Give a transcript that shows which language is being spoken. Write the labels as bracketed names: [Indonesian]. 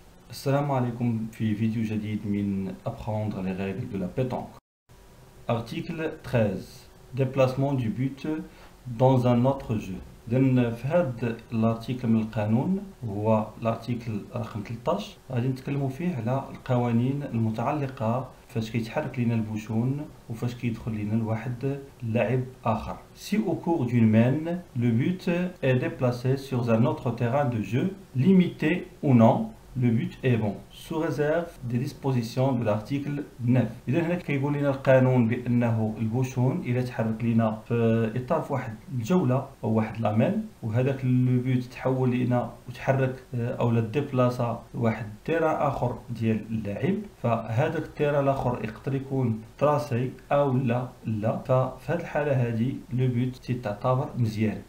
[Arabic] السلام عليكم في فيديو جديد من [French] apprendre les règles de la pétanque. Article 13. Déplacement du but dans un autre jeu. [Arabic] في هذا الارتيكل من القانون هو الارتيكل رقم 13 غادي نتكلموا فيه على القوانين المتعلقه فاش كيتحرك لينا البوشون وفاش كيدخل لينا الواحد لاعب اخر. [French] Si au cours d'une main, le but est déplacé sur un autre terrain de jeu, limité ou non, le but est bon, sous réserve des dispositions de l'article 9. Et donc, qui dit le canon que le bouchon il est [Arabic] حرك لينا في اطار واحد الجوله او واحد لامين وهذاك لو بوت تحول لينا وتحرك او لديبلاسا واحد تيرا اخر ديال اللاعب فهذاك التيرا الاخر يقدر يكون تراسي او لا ففي هذه الحاله هذه لو بوت تعتبر مزيان.